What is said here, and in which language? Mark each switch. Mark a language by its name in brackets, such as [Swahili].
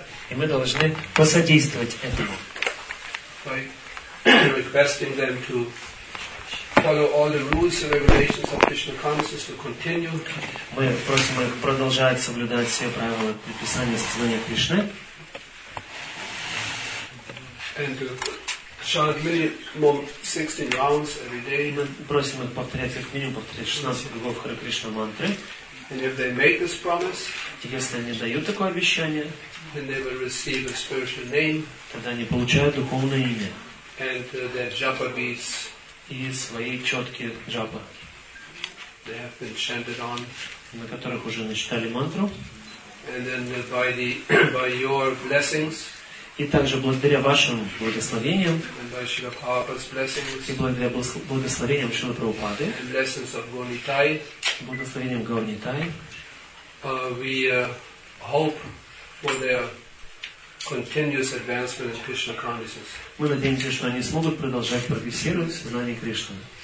[Russian] И мы должны посодействовать этому. [English] Requesting them to follow all the rules and regulations of Krishna consciousness to continue. [Russian] Мы просим их продолжать соблюдать все правила предписания сознания Кришны. [English] And to chant minimum 16 rounds every day. [Russian] Мы просим их повторять как минимум 16 кругов Харе Кришна мантры. [English] And if they make this promise, [Russian] если они дают такое обещание, [English] then they will receive a spiritual name, [Russian] тогда они получают духовное имя, [English] and their japa beads, [Russian] и свои четкие джапа, [English] they have been chanted on, [Russian] на которых уже начитали мантру, [English] and then by the by your blessings, [Russian] и также благодаря вашим благословениям, [English] and by Śrīla Prabhupāda's blessings, [Russian] и благодаря благословениям Śrīla Prabhupāda, [English] and blessings of Gauri Thai, [Russian] благословением Гауни Тай, [English] we hope for their continuous advancement in Krishna consciousness. [Russian] Мы надеемся, что они смогут продолжать прогрессировать в сознании Кришны.